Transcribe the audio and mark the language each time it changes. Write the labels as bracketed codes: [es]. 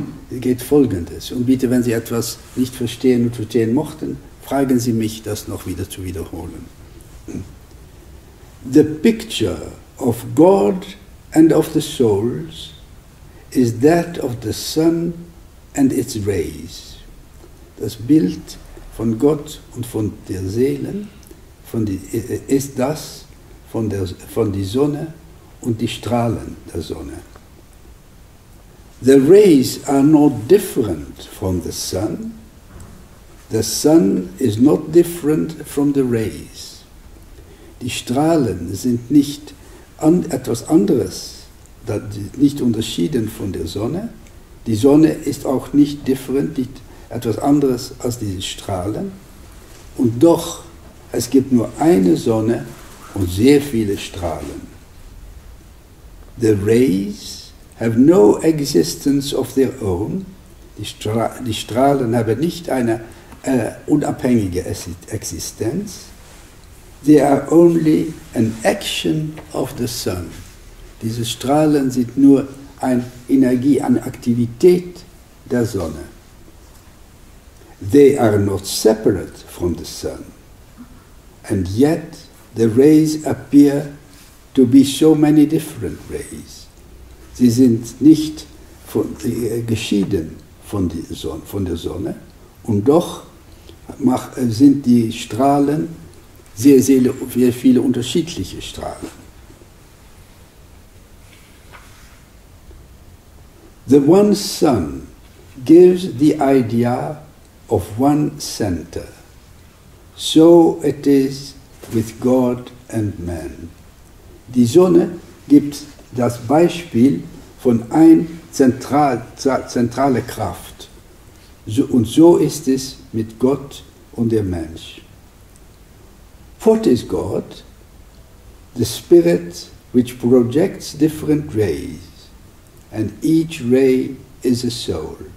[de] Es geht folgendes. Und bitte, wenn Sie etwas nicht verstehen und verstehen mochten, fragen Sie mich, das noch wieder zu wiederholen. [en] The picture of God and of the souls is that of the sun and its rays. [de] Das Bild von Gott und von der Seelen ist das von der Sonne und die Strahlen der Sonne. [en] The rays are not different from the sun. The sun is not different from the rays. [de] Die Strahlen sind nicht etwas anderes, nicht unterschieden von der Sonne. Die Sonne ist auch nicht different, nicht etwas anderes als diese Strahlen. Und doch, es gibt nur eine Sonne und sehr viele Strahlen. [en] The rays have no existence of their own. [de] Die Strahlen haben nicht eine unabhängige Existenz. [en] They are only an action of the sun. [de] Diese Strahlen sind nur eine Energie, eine Aktivität der Sonne. [en] They are not separate from the sun. And yet, the rays appear to be so many different rays. [de] Sie sind nicht geschieden von der Sonne. Und doch sind die Strahlen sehr, sehr viele unterschiedliche Strahlen. [en] The one sun gives the idea of one center. So it is with God and man. [de] Die Sonne gibt das Beispiel von einer zentralen Kraft. So, und so ist es mit Gott und dem Mensch. [en] What is God? The spirit which projects different rays, and each ray is a soul.